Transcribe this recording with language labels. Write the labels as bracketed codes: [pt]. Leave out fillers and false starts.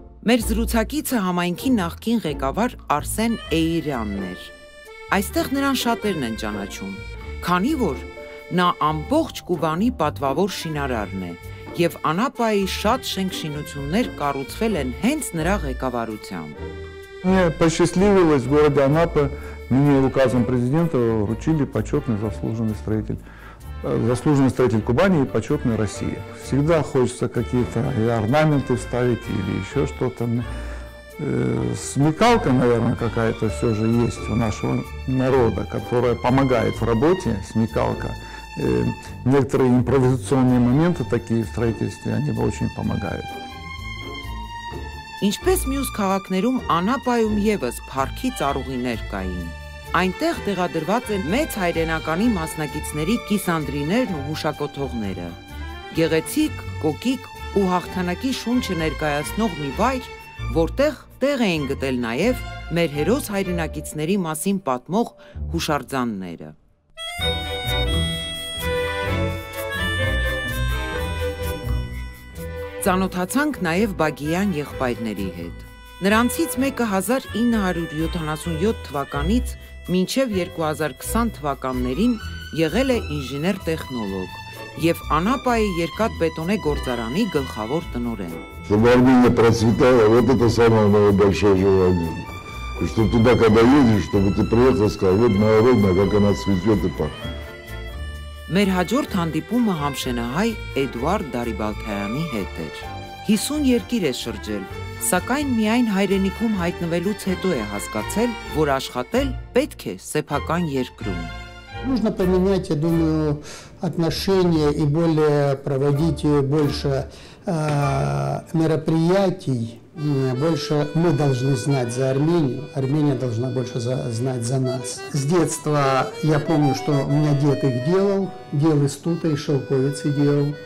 [hy] Մեր զրուցակիցը համայնքի նախկին ղեկավար Արսեն Էիրյանն էր։ Այստեղ նրան շատերն են ճանաչում։ քանի որ նա ամբողջ Կուբանի պատվավոր շինարարն է և Անապայի շատ շենք շինություններ կառուցվել են հենց նրա ղեկավարությամբ։ [ru] Мне посчастливилось в городе Анапе, мне указом президента вручили почетный заслуженный строитель Кубани и почетный Россия. Всегда хочется какие-то орнаменты вставить или еще что-то. Смекалка, наверное, какая-то все же есть у нашего народа, которая помогает в работе, смекалка. Некоторые импровизационные моменты такие в строительстве, они очень помогают. [hy] Ինչպես մյուս քաղաքներում Անապայում եւս փառքի ծառուղիներ կային։ Այնտեղ տեղադրված են մեծ հայրենականի մասնակիցների կիսանդրիներն ու մուշակոթողները։ Գեղեցիկ, կոկիկ ու հաղթանակի շունչը ներկայացնող մի վայր, որտեղ տեղ էին գտել նաեւ մեր հերոս հայրենակիցների մասին պատմող հուշարձանները։ Ծանոթացանք նաև Բագիյան եղբայրների հետ։ Նրանցից մեկը 1977 թվականից մինչև 2020 թվականներին եղել է ինժեներ-տեխնոլոգ և Անապայի երկաթ բետոնե գործարանի գլխավոր տնօրեն։ Շուտովին [ru] процветала вот это самое моё большое желание. И что туда когда едешь, чтобы ты приехал, сказал: "Вот моя родина, как она цветёт и пахнет". [hy] Մեր հաջորդ հանդիպումը Համշենահայ Էդուարդ Դարիբալթայանի հետ էր։ 50 երկիր է շրջել, սակայն միայն հայրենիքում հայտնվելուց հետո է հասկացել, որ աշխատել պետք է սեփական երկրում։ [ru] Нужно поменять, я думаю, отношения и более проводить больше мероприятий, больше мы должны знать за Армению, Армения должна больше знать за нас. С детства я помню, что у меня дед их делал, дел из тута и шелковицы делал.